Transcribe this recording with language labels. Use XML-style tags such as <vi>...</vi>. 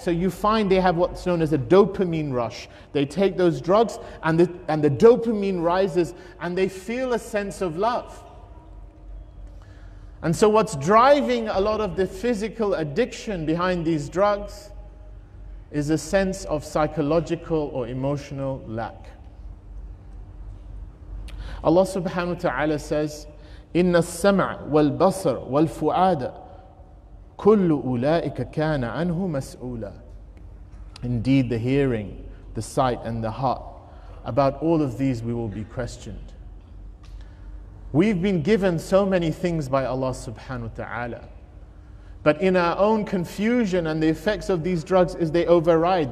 <en>So you find they have what's known as a dopamine rush. They take those drugs and the dopamine rises and they feel a sense of love. And so what's driving a lot of the physical addiction behind these drugs is a sense of psychological or emotional lack. Allah subhanahu wa ta'ala says,</en> <ar>إِنَّ السَّمْعَ وَالْبَصَرَ وَالْفُؤَادَ كُلُّ أُولَٰئِكَ كَانَ عَنْهُ مَسْئُولًا.</ar> <en>Indeed, the hearing, the sight, and the heart. About all of these we will be questioned. We've been given so many things by Allah subhanahu wa ta'ala. But in our own confusion and the effects of these drugs is they override.</en>